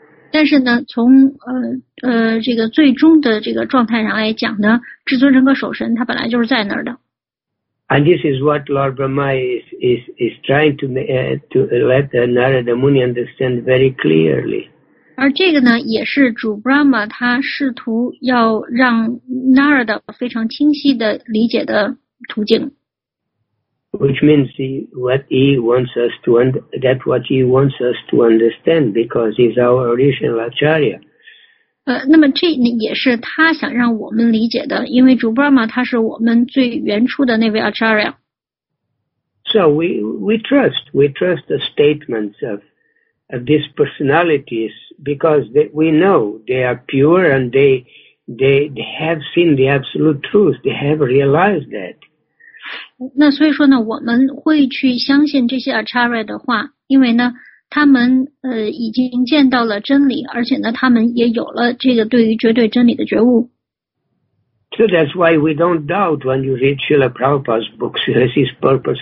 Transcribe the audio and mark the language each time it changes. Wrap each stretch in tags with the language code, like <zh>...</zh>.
<zh>但是呢，从这个最终的这个状态上来讲呢，至尊人格守神他本来就是在那儿的。</zh> <en>And this is what Lord Brahma is trying to let Narada Muni understand very clearly.</en> <zh>而这个呢，也是主 Brahma 他试图要让 Narada 非常清晰的理解的途径。</zh> <en>Which means what he wants us to understand because he's our original Acharya.</en> <zh>那么这也是他想让我们理解的，因为主 Brahma 他是我们最原初的那位 Acharya。</zh> <en>So we trust the statements of these personalities because we know they are pure and they have seen the absolute truth. They have realized that.</en> <zh>那所以说呢，我们会去相信这些 Acharya 的话，因为呢。他们已经见到了真理，而且呢，他们也有了这个对于绝对真理的觉悟。</zh> <en>So that's why we don't doubt when you read Srila Prabhupada's books, his purpose.</en>